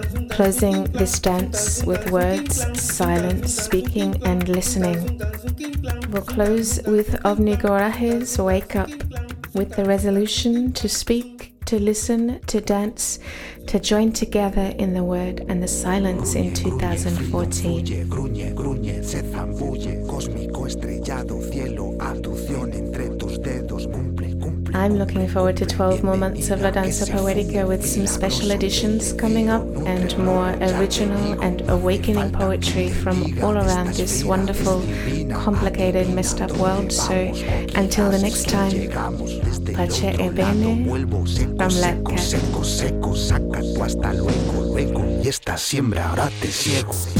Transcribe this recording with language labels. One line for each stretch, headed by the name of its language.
English: Closing this dance with words, silence, speaking, and listening. We'll close with Ovni Gorahe's Wake Up, with the resolution to speak, to listen, to dance, to join together in the word and the silence in 2014.
Spanish: Gruñe, gruñe, se zambulle, cósmico estrellado, cielo, abducción entre tus dedos, cumple, cumple.
English: I'm looking forward to 12 more months of La Danza Poetica with some special editions coming up and more original and awakening poetry from all around this wonderful, complicated, messed up world. So until the next time,
Italian: pache e bene,
English: from LAPKAT.
Spanish: Hasta luego, luego, y esta siembra ahora te ciego.